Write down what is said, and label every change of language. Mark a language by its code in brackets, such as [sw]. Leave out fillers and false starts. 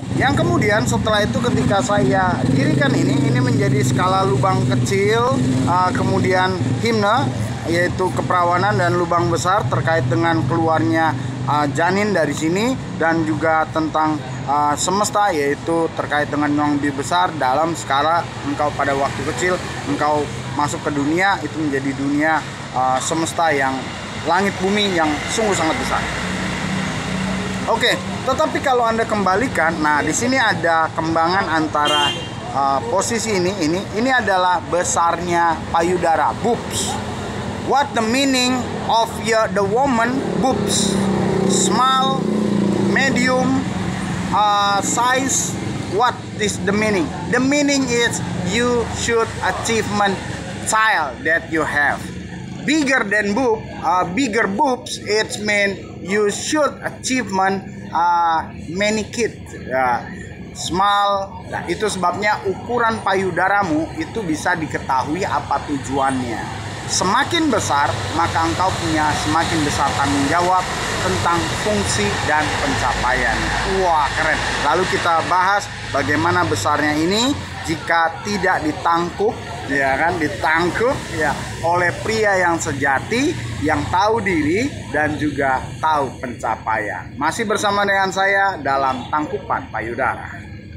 [id] Yang kemudian setelah itu ketika saya dirikan ini menjadi skala lubang kecil, kemudian himne, yaitu keperawanan, dan lubang besar terkait dengan keluarnya janin dari sini, dan juga tentang semesta, yaitu terkait dengan yang lebih besar dalam skala engkau pada waktu kecil, engkau masuk ke dunia, itu menjadi dunia semesta yang langit bumi yang sungguh sangat besar. Oke, tetapi kalau Anda kembalikan, nah di sini ada kembangan antara posisi ini adalah besarnya payudara, boobs. [en] What the meaning of the woman boobs? Small, medium, size, what is the meaning? The meaning is you should achievement child that you have. Bigger than boob, bigger boobs, it mean you should achievement many kids. [id] Small, nah, itu sebabnya ukuran payudaramu itu bisa diketahui apa tujuannya. Semakin besar, maka engkau punya semakin besar tanggung jawab tentang fungsi dan pencapaian. Wah, keren. Lalu kita bahas bagaimana besarnya ini jika tidak ditangkup, ya kan, ditangkup ya oleh pria yang sejati, yang tahu diri dan juga tahu pencapaian. Masih bersama dengan saya dalam Tangkupan Payudara.